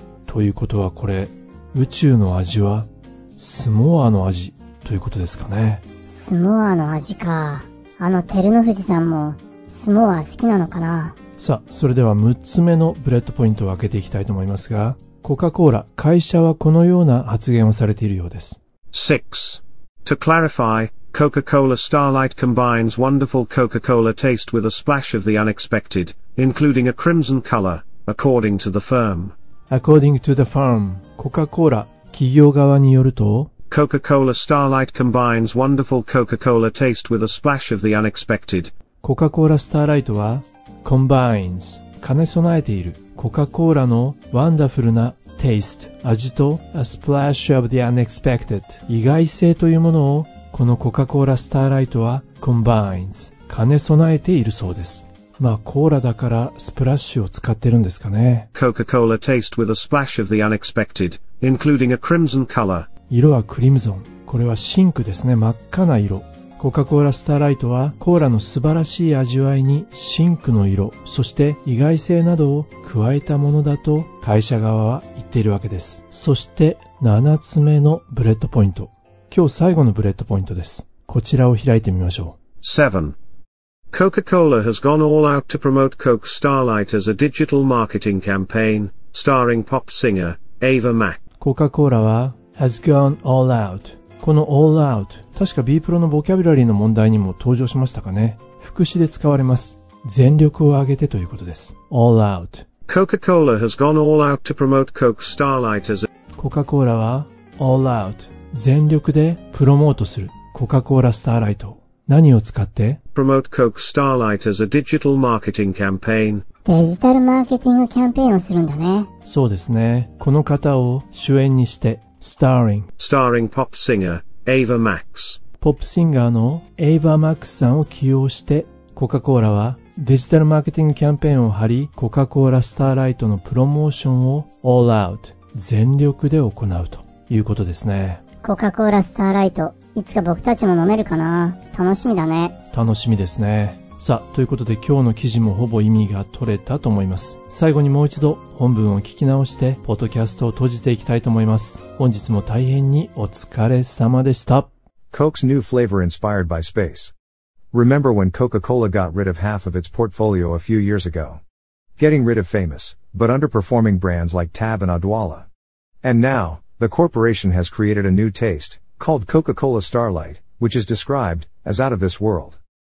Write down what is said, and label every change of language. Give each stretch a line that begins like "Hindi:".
Japanese: ということはこれ、宇宙の味はスモアの味ということですかね。スモアの味か。あの照ノ富士さんもスモア好きなのかな。さあ、それでは6つ目のブレッドポイントを開けていきたいと思いますが、コカ・コーラ、会社はこのような発言をされているようです。
English: 6. To clarify,Coca-Cola Starlight combines wonderful Coca-Cola taste with a splash of the unexpected, including a crimson color, according to the firm. According to the firm, Coca-Cola
Japanese: 企業側によると
English: Coca-Cola Starlight combines wonderful Coca-Cola taste with a splash of the unexpected.
Japanese: Coca-Cola Starlight は combines 兼ね備えている Coca-Cola の wonderful な taste 味と
English: a splash of the unexpected
Japanese: 意外性というものをこのコカ・コーラスターライトは combines 兼ね備えているそうです。まあコーラだからスプラッシュを使ってるんですかね。
English: Coca-Cola taste with a splash of the unexpected, including a crimson color.
Japanese: 色はクリムゾン。これはシンクですね。真っ赤な色。コカ・コーラスターライトはコーラの素晴らしい味わいにシンクの色、そして意外性などを加えたものだと会社側は言っているわけです。そして7つ目のブレッドポイント。今日最後のブレッドポイントです。こちらを開いてみましょう。
English: 7. Coca-Cola has gone all out to promote Coke Starlight as a digital marketing campaign, starring pop singer, Ava Max. Coca-Cola は has gone all out.
Japanese: この all out、確か B プロのボキャブラリーの問題にも登場しましたかね。副詞で使われます。全力を挙げてということです。
English: all out. Coca-Cola has gone all out to promote Coke Starlight as a... Coca-Cola は all out.
Japanese: 全力でプロモートするコカ・コーラ・スターライト。何を使って
English: Promote Coke Starlight as a digital marketing campaign.
Japanese: デジタルマーケティングキャンペーンをするんだね。そうですね。この方を主演にして Starring
English: Starring pop singer Ava Max.
Japanese: ポップシンガーの Ava Max さんを起用してコカ・コーラはデジタルマーケティングキャンペーンを張りコカ・コーラ・スターライトのプロモーションを All Out 全力で行うということですね。コカ・コーラスターライト、いつか僕たちも飲めるかな。楽しみだね。楽しみですね。さあ、ということで今日の記事もほぼ意味が取れたと思います。最後にもう一度本文を聞き直してポッドキャストを閉じていきたいと思います。本日も大変にお疲れ様でした。
English: Coke's new flavor inspired by space. Remember when Coca-Cola got rid of half of its portfolio a few years ago? Getting rid of famous but underperforming brands like Tab and Odwalla. And nowThe corporation has created a new taste, called Coca-Cola Starlight, which is described as out of this world.